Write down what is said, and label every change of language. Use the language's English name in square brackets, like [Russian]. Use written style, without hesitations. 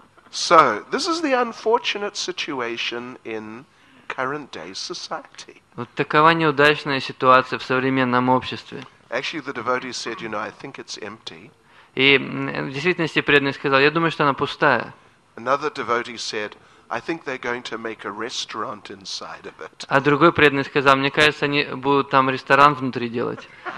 [English] So, this is the unfortunate situation in current day society. [Russian] Вот такова неудачная ситуация в современном обществе. [English] Actually, the devotee said, you know, I think it's empty. [Russian] И в действительности преданный сказал, я думаю, что она пустая. [English] Another devotee said, I think they're going to make a restaurant inside of it. [Russian] А другой преданный сказал, мне кажется, они будут там ресторан внутри делать.